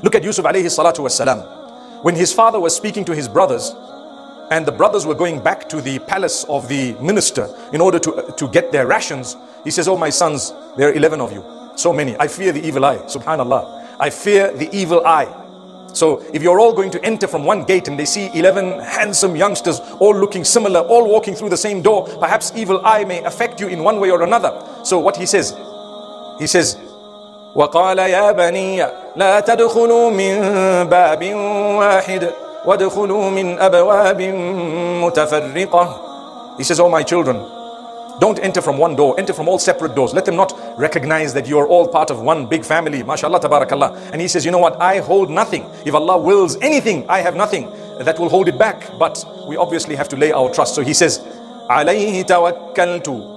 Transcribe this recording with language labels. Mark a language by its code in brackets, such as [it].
[en] Look at Yusuf alayhi salatu wasalam. When his father was speaking to his brothers, and the brothers were going back to the palace of the minister in order to get their rations, he says, oh my sons, there are 11 of you, so many. I fear the evil eye, subhanallah. I fear the evil eye. So if you're all going to enter from one gate and they see 11 handsome youngsters all looking similar, all walking through the same door, perhaps evil eye may affect you in one way or another. So what he says, [ar] وَقَالَ يَا بَنِيَّ لَا تَدْخُلُوا مِن بَابٍ وَاحِدٍ وَادْخُلُوا مِن أَبْوَابٍ مُتَفَرِّقَةٍ. [en] He says, oh my children, don't enter from one door, enter from all separate doors. Let them not recognize that you're all part of one big family. MashaAllah, tabarakAllah. And he says, you know what? I hold nothing. If Allah wills anything, I have nothing that will hold it back. But we obviously have to lay our trust. So he says, [ar] عَلَيْهِ تَوَكَّلْتُ.